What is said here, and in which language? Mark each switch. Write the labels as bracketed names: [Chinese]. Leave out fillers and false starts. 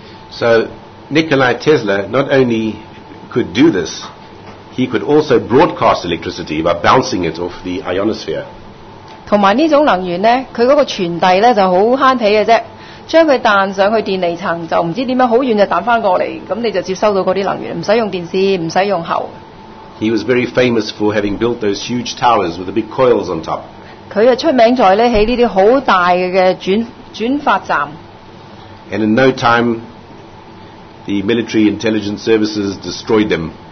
[English] So Nikola Tesla not only could do this, he could also broadcast electricity by bouncing it off the ionosphere. [Chinese] 和這種能源它的傳遞很省氣，將它彈上去電離層，就不知怎樣很遠就彈回來，那你就接收到那些能源，不用用電線，不用用喉。 [English] He was very famous for having built those huge towers with the big coils on top. [Chinese] 他就出名在建這些很大的轉發站。 [English] And in no time, the military intelligence services destroyed them.